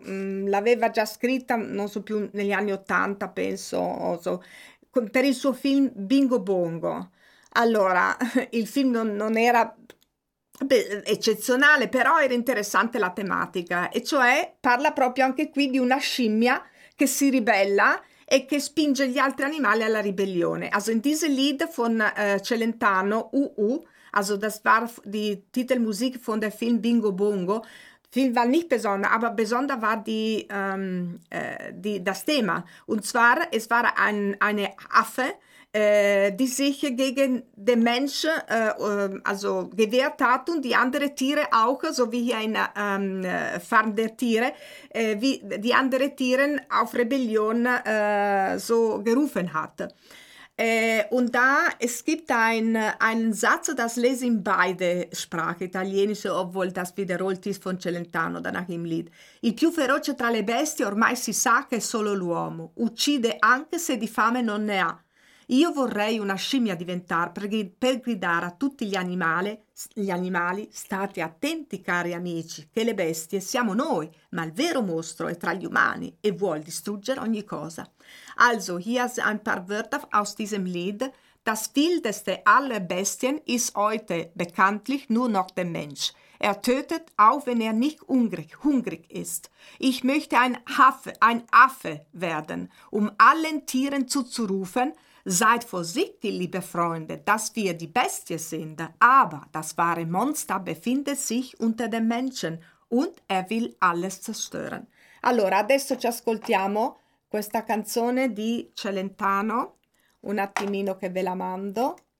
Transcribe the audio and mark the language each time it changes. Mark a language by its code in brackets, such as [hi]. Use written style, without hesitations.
[it] L'aveva già scritta, non so più, negli anni 80, penso, per il suo film Bingo Bongo. Allora, il film non era eccezionale, però era interessante la tematica. E cioè, parla proprio anche qui di una scimmia che si ribella e che spinge gli altri animali alla ribellione. [de] Also, in diese Lied von Celentano, Also das war die Titelmusik von dem Film Bingo Bongo. Film war nicht besonders, aber besonders war die, das Thema. Und zwar, es war eine Affe, die sich gegen den Menschen gewehrt hat und die anderen Tiere auch, so wie hier in Farm der Tiere, wie die anderen Tiere auf Rebellion so gerufen hat. Und da, es gibt einen Satz, das lese in beide Sprachen, italienisch, obwohl das wiederholt ist von Celentano, danach im Lied. [it] Il più feroce tra le bestie ormai si sa che è solo l'uomo, uccide anche se di fame non ne ha. Io vorrei una scimmia diventare per gridare a tutti gli animali, state attenti cari amici, che le bestie siamo noi, ma il vero mostro è tra gli umani e vuol distruggere ogni cosa. [de] Also, hier sind ein paar Wörter aus diesem Lied. Das wildeste aller Bestien ist heute bekanntlich nur noch der Mensch. Er tötet, auch wenn er nicht hungrig ist. Ich möchte ein Affe werden, um allen Tieren zuzurufen, seid vorsichtig, liebe Freunde, dass wir die Bestie sind, aber das wahre Monster befindet sich unter den Menschen und er will alles zerstören. [it] Allora, adesso ci ascoltiamo questa canzone di Celentano. Un attimino che ve la mando.